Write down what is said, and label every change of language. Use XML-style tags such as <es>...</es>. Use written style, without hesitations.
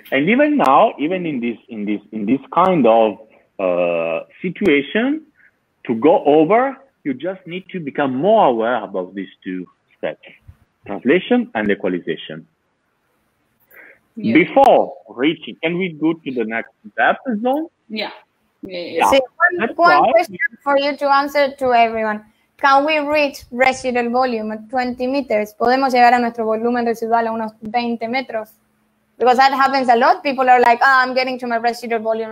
<en>And even now, even in this kind of situation, to go over, you just need to become more aware about these two steps, translation and equalization. Before reaching, can we go to the next step as well? Yeah. See, one question for you to answer to everyone. Can we reach residual volume at 20 meters?</en> <es>¿Podemos llegar a nuestro volumen residual a unos 20 metros?</es> <en>Because that happens a lot. People are like, oh, I'm getting to my residual volume.</en>